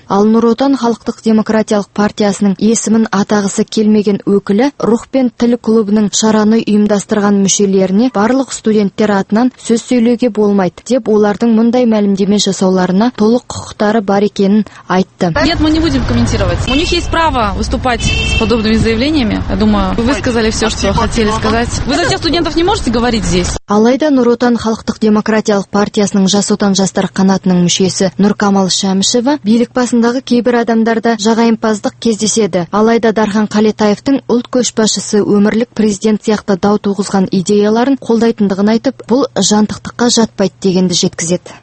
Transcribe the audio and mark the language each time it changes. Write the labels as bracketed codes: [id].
[kk] Ал Нұр Отан Халықтық Демократиялық партиясының есімін атағысы келмеген өкілі Рух пен тіл клубының шараны ұйымдастырған мүшелеріне барлық студенттер атынан сөз сөйлеуге болмайды деп, олардың мұндай мәлімдеме жасауларына толық құқықтары бар екенін айтты. [ru] Нет, мы не будем комментировать. У них есть право выступать с подобными заявлениями. Я думаю, вы сказали все, что хотели сказать. Вы за тех студентов не можете говорить здесь. [kk] Алайда Нұр Отан Халықтық Демократиялық партиясының Жас Отан жастар қанатының мүшесі Нұркамал Шәмішева билік басындағы кейбір адамдарда жағайымпаздық кездеседі. Алайда Дархан Қалетаевтың ұлт көшбасшысы өмірлік президент сияқты дау туғызған идеяларын қолдайтындығын айтып, бұл жантықтыққа жатпайды дегенді жеткізеді.